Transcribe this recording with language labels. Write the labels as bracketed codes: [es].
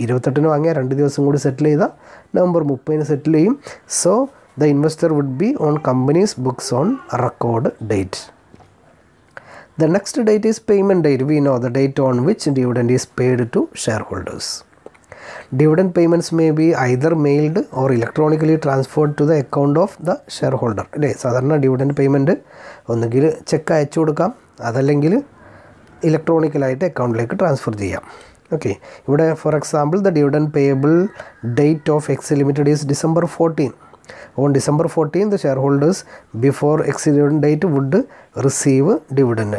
[ml] 28 വാങ്ങിയ 2 കൂടി സെറ്റിൽ ചെയ്താൽ നവംബർ 30 സെറ്റിൽ ചെയ്യും. [en] So the investor would be on companies books on record date. The next date is payment date. We know the date on which dividend is paid to share holders. Dividend payments may be either mailed or electronically transferred to the account of the shareholder. [ml] അല്ലേ, സാധാരണ dividend payment ഒന്നുകിൽ check അയച്ചു കൊടുക്കാം, അതല്ലെങ്കിൽ ഇലക്ട്രോണിക്കലായിട്ട് അക്കൗണ്ടിലേക്ക് transfer ചെയ്യാം. [en] Okay, ഇവിടെ for example the dividend payable date of X limited is December 14. On December 14 the share holders before ex dividend date would receive dividend.